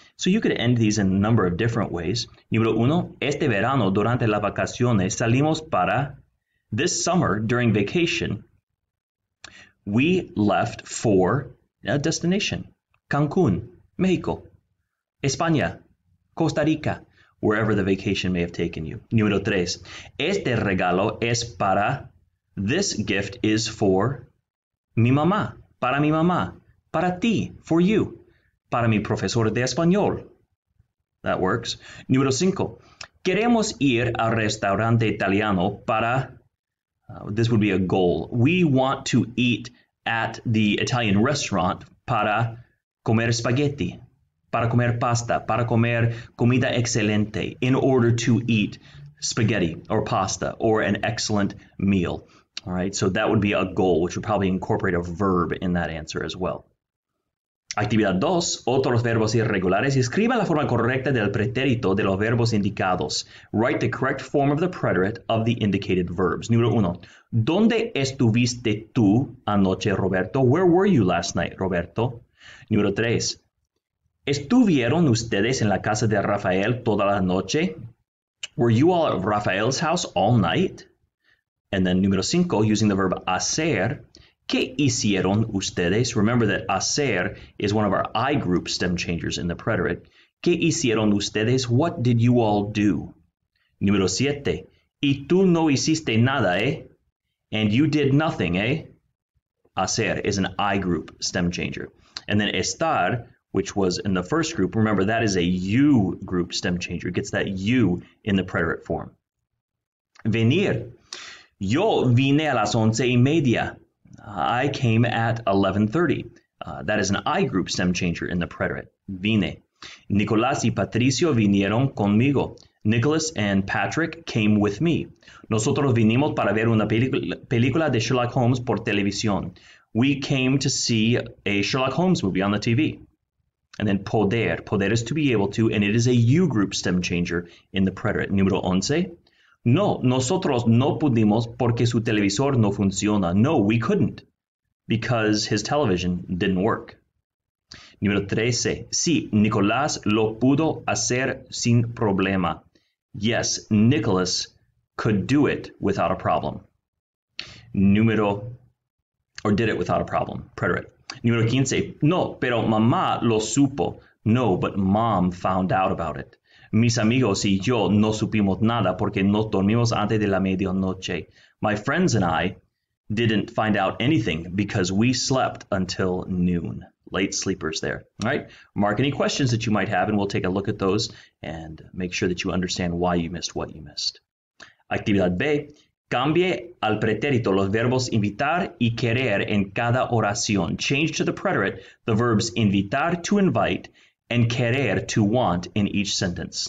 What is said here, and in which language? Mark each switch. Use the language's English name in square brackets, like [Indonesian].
[English] So you could end these in a number of different ways. [Spanish] Número uno, este verano durante las vacaciones salimos para. [English] This summer during vacation, we left for a destination. Cancun, Mexico, España, Costa Rica, wherever the vacation may have taken you. [Spanish] Número tres, este regalo es para. [English] This gift is for [Spanish] mi mamá, para ti, [English] for you, [Spanish] para mi profesor de español. [English] That works. [Spanish] Número cinco, queremos ir al restaurante italiano para, [English] this would be a goal. We want to eat at the Italian restaurant [Spanish] para comer spaghetti, para comer pasta, para comer comida excelente, [English] in order to eat spaghetti or pasta or an excellent meal. All right, so that would be a goal, which would probably incorporate a verb in that answer as well. [Spanish] Actividad 2, otros verbos irregulares. Escriba la forma correcta del pretérito de los verbos indicados. [English] Write the correct form of the preterite of the indicated verbs. [Spanish] Número 1, ¿dónde estuviste tú anoche, Roberto? [English] Where were you last night, Roberto? [Spanish] Número 3, ¿estuvieron ustedes en la casa de Rafael toda la noche? [English] Were you all at Rafael's house all night? And then [Spanish] número cinco, [English] using the verb hacer, [Spanish] ¿qué hicieron ustedes? [English] Remember that hacer is one of our I group stem changers in the preterite. [Spanish] ¿Qué hicieron ustedes? [English] What did you all do? [Spanish] Número siete, ¿y tú no hiciste nada, eh? [English] And you did nothing, eh? Hacer is an I group stem changer. And then estar, which was in the first group, remember that is a you group stem changer. It gets that you in the preterite form. Venir. [Spanish] Yo vine a las once y media. [English] I came at 11:30. That is an I group stem changer in the preterite. [Spanish] Vine. Nicolás y Patricio vinieron conmigo. [English] Nicholas and Patrick came with me. [Spanish] Nosotros vinimos para ver una película de Sherlock Holmes por televisión. [English] We came to see a Sherlock Holmes movie on the TV. And then poder. Poder is to be able to, and it is a you group stem changer in the preterite. [Spanish] Número 11. No, nosotros no pudimos porque su televisor no funciona. [English] No, we couldn't because his television didn't work. [Spanish] Número 13. Sí, Nicolás lo pudo hacer sin problema. [English] Yes, Nicholas could do it without a problem. Or did it without a problem. Preterite. [Spanish] Número 15. No, pero mamá lo supo. [English] No, but mom found out about it. [Spanish] Mis amigos y yo no supimos nada porque nos dormimos antes de la medianoche. [English] My friends and I didn't find out anything because we slept until noon. Late sleepers there. All right. Mark any questions that you might have, and we'll take a look at those and make sure that you understand why you missed what you missed. [Spanish] Actividad B. Cambie al pretérito los verbos invitar y querer en cada oración. [English] Change to the preterite the verbs invitar, to invite, and querer, to want, in each sentence.